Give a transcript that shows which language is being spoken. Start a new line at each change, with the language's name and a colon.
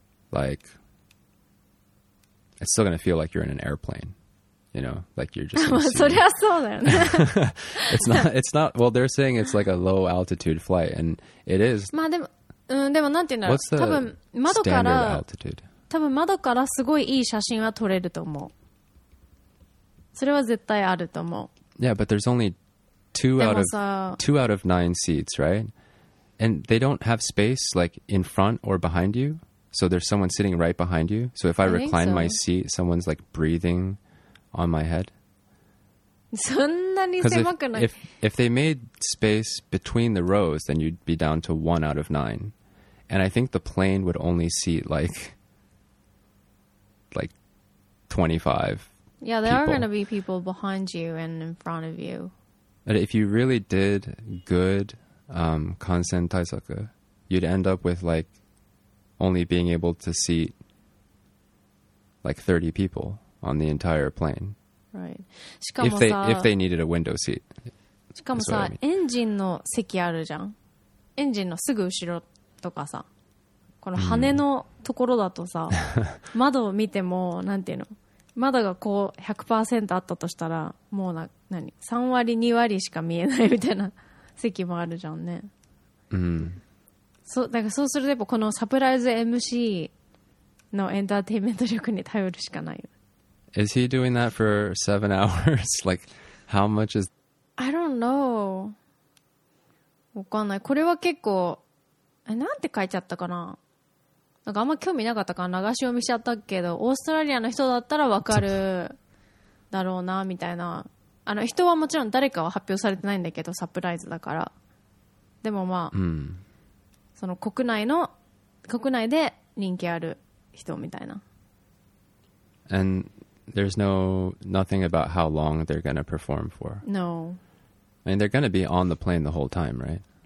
English: like, it's still going to feel like you're in an airplane, you know, like you're just it's not, they're saying it's like a low altitude flight, and it is. What's the standard altitude?
Japanese: 多分窓からすごいいい写真は撮れると思う。それは絶対あると思う。
English: Yeah, but there's only two out of nine seats, right? And they don't have space like in front or behind you. So there's someone sitting right behind you. So if I recline my seat, someone's like breathing on my head.
Japanese: そんなに狭くない。
English: If they made space between the rows, then you'd be down to one out of nine. And I think the plane would only seat like 25. Yeah, there are going to be people behind you and in front of you. But if you really did good Kansen Taisaku, you'd end up with like only being able to seat like 30 people on the entire plane. Right. If they needed a window seat.
Japanese: しかもさ、エンジンの席あるじゃん。エンジンのすぐ後ろとかさ。この羽のところだとさ、窓を見てもなんていうの、窓がこう 100% あったとしたら、もうな何3割2割しか見えないみたいな席もあるじゃんね。うん。そうだからそうするとやっぱこのサプライズ MC のエンターテインメント力に頼るしかないよ。
English: Is he doing that for 7 hours? Like how much is? I don't know.
Japanese: わかんない。これは結構。え、なんて書いちゃったかな。なんかあんま興味なかったから流し読みしちゃったけど、オーストラリアの人だったらわかるだろうなみたいな。あの人はもちろん誰かは発表されてないんだけど、サプライズだから。でもまあ、うん、その国内で人気ある人みたいな。
English: And there's nothing about how long they're gonna perform for. No. I mean, they're gonna be on the plane the whole time, right?